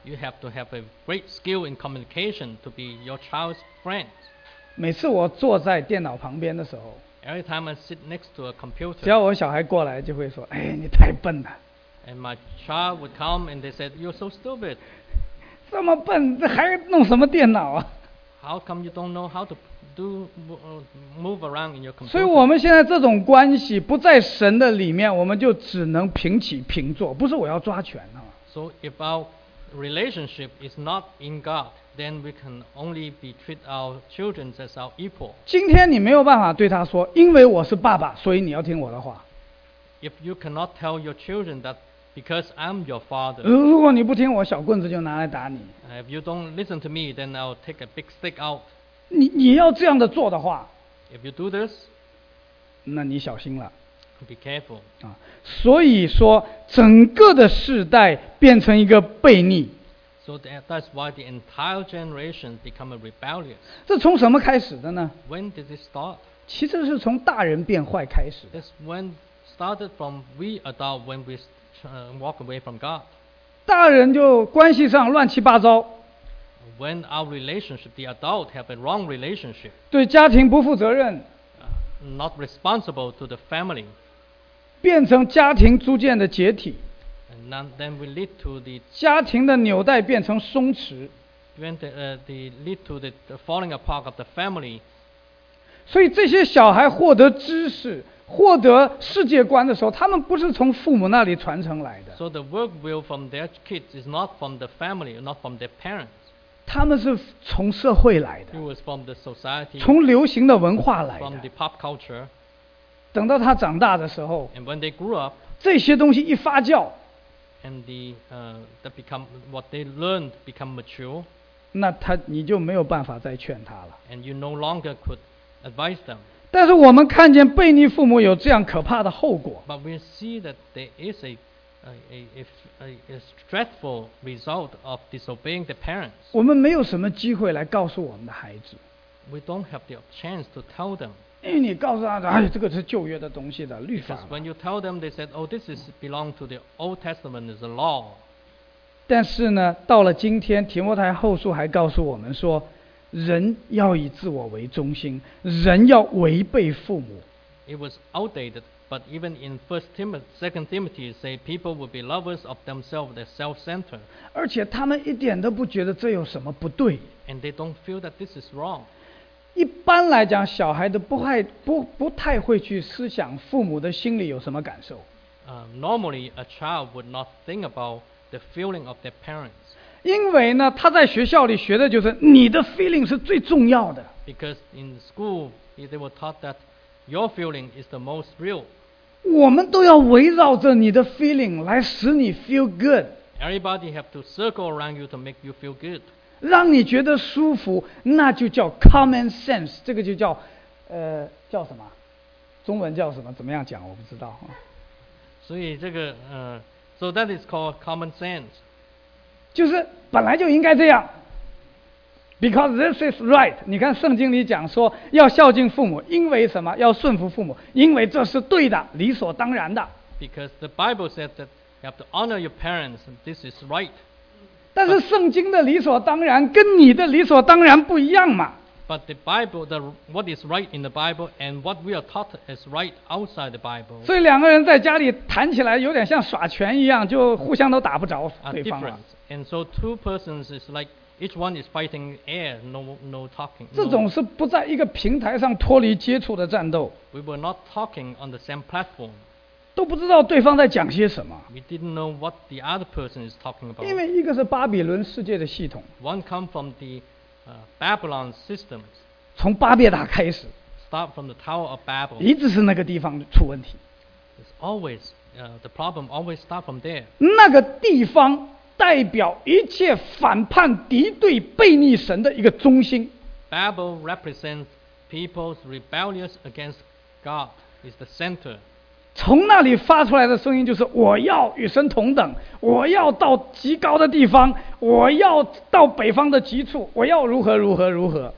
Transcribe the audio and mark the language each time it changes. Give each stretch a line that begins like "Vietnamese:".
English: You have to have a great skill in communication to be your child's friend.
Chinese: 每次我坐在电脑旁边的时候,
English: every time I sit next to a computer,
Chinese: 只要我小孩过来就会说, 哎, 你太笨了。
English: And my child would come and they said, you're so stupid.
Chinese: 这么笨, 还弄什么电脑啊?
English: How come you don't know how to do move around in your computer?
Chinese: 所以我们现在这种关系不在神的里面, 我们就只能平起平坐, 不是我要抓权啊。
English: So if our relationship is not in God, then we can only be treat our children as our equal.
Chinese: 今天你没有办法对他说, 因为我是爸爸, 所以你要听我的话。
English: If you cannot tell your children that because I'm your father,
Chinese: 如果你不听, 我小棍子就拿来打你。
English: If you don't listen to me, then I'll take a big stick out.
Chinese: 你要这样的做的话,
English: if you do this,
Chinese: 那你小心了。
English: Be careful.
Chinese: 所以说, 整个的世代变成一个悖逆。
English: So that's why the entire generation become a rebellious.
Chinese: 这从什么开始的呢?
English: When did it start?
Chinese: 其实是从大人变坏开始。
English: This when started from we adult when we walk away from God.
Chinese: 大人就关系上乱七八糟。
English: When our relationship, the adult have a wrong relationship.
Chinese: 对家庭不负责任。
English: Not responsible to the family.
Chinese: 变成家庭逐渐的解体。
English: Then we lead to the
Chinese: 家庭的纽带变成松弛,
English: the lead to the falling apart of the family.
Chinese: 所以这些小孩获得知识, 获得世界观的时候, 他们不是从父母那里传承来的。
English: So the work will from their kids is not from the family, not from their parents.
Chinese: 他们是从社会来的。
English: It was from the society.
Chinese: 从流行的文化来的。
English: From the pop culture.
Chinese: 等到他长大的时候,
English: and when they grew up,
Chinese: 这些东西一发酵,
English: and the that become what they learned become mature.
Chinese: 那他你就没有办法再劝他了。
English: And you no longer could advise them.
Chinese: 但是我们看见悖逆父母有这样可怕的后果。
English: But we see that there is a stressful result of disobeying the parents.
Chinese: 我们没有什么机会来告诉我们的孩子。
English: We don't have the chance to tell them.
Chinese: 因为你告诉他的, 哎, 这个是旧约的东西的, 律法嘛。
English: Because when you tell them, they said, oh, this is belong to the Old Testament, it's a law.
Chinese: 但是呢, 到了今天, 提摩太后书还告诉我们说, 人要以自我为中心, 人要违背父母。
English: It was outdated, but even in 2 Timothy, it said people would be lovers of themselves, they're self-centered.
Chinese: 而且他们一点都不觉得这有什么不对。
English: And they don't feel that this is wrong.
Chinese: 一般来讲, 小孩都不太会去思想父母的心里有什么感受。
English: Normally, a child would not think about the feeling of their parents.
Chinese: 因为呢, 他在学校里学的就是, 你的feeling是最重要的。 Because in school, they were taught that your feeling is the most real. 我们都要围绕着你的feeling来使你
English: feel good. Everybody have to circle around you to make you feel good.
Chinese: 让你觉得舒服, 那就叫
English: common sense,
Chinese: 这个就叫, 叫什么?中文叫什么?怎么样讲?我不知道。所以这个,
English: so that is called common sense.
Chinese: 就是本来就应该这样,
English: because this is right.
Chinese: 你看圣经里讲说, 要孝敬父母, 因为什么? 要顺服父母, 因为这是对的, 理所当然的。
English: Because the Bible said that you have to honor your parents, and this is right.
Chinese: 但是圣经的理所当然跟你的理所当然不一样嘛。
English: But the Bible, the what is right in the Bible and what we are taught is right outside the Bible.
Chinese: 所以两个人在家里谈起来有点像耍拳一样，就互相都打不着对方了。
English: And so two persons is like each one is fighting air, no talking.
Chinese: 这种是不在一个平台上脱离接触的战斗。
English: We were not talking on the same platform.
Chinese: 都不知道对方在讲些什么。
English: We didn't know what the other person is talking about.
Chinese: 因为一个是巴比伦世界的系统。
English: One come from theBabylon systems.
Chinese: 从巴别塔开始
English: start from the Tower of Babel.
Chinese: 一直是那个地方出问题。
English: It's always, the problem always start from there.
Chinese: 那个地方代表一切反叛、敌对、悖逆神的一个中心。
English: Babel represents people's rebellious against God. It's the center.
Chinese: 从那里发出来的声音就是我要与神同等，我要到极高的地方，我要到北方的极处，我要如何如何如何。